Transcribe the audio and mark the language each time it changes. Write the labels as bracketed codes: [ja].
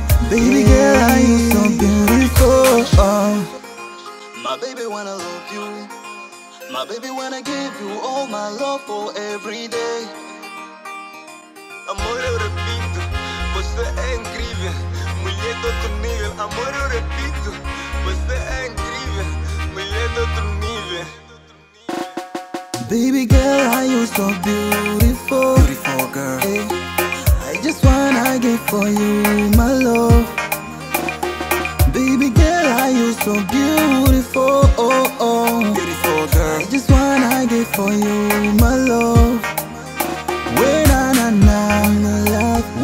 [en] Baby girl, are you so beautiful? My baby wanna love you. My baby wanna give you all my love for every day. [pt] Amor, eu repito, você é incrível, mulher de outro nível. Amor, eu repito, você é incrível, mulher de outro nível. [en] Baby girl, are you so beautiful? Beautiful girl, hey, I just wanna give for you my love. Baby girl, are you so beautiful? Oh oh. Beautiful girl, I just wanna give for you my love. Wait na na na, my love.